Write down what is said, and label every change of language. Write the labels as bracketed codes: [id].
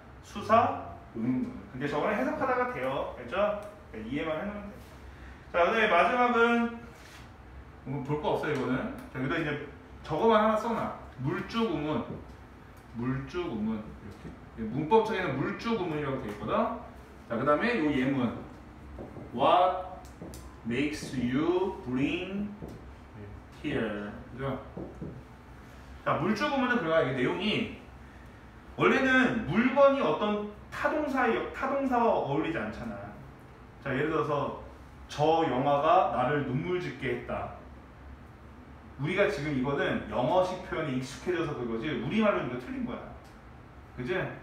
[ko] 수사 근데 저거는 해석하다가 돼요. 알죠? 그러니까 이해만 해놓으면 돼. 자, 근데 마지막은 볼 거 없어요, 이거는. 자, 여기다 이제 저거만 하나 써놔. 물주구문. 물주구문. 이렇게. 문법책에는 물주구문이라고 돼 있거든. 자, 그 다음에 요 예문. [en] What makes you bring here? [ko] 그죠? 자, 물주구문은 그래가 이게 내용이 원래는 물건이 어떤 타동사와 어울리지 않잖아. 자, 예를 들어서 저 영화가 나를 눈물짓게 했다. 우리가 지금 이거는 영어식 표현에 익숙해져서 그거지 우리말로는 이거 틀린 거야. 그지?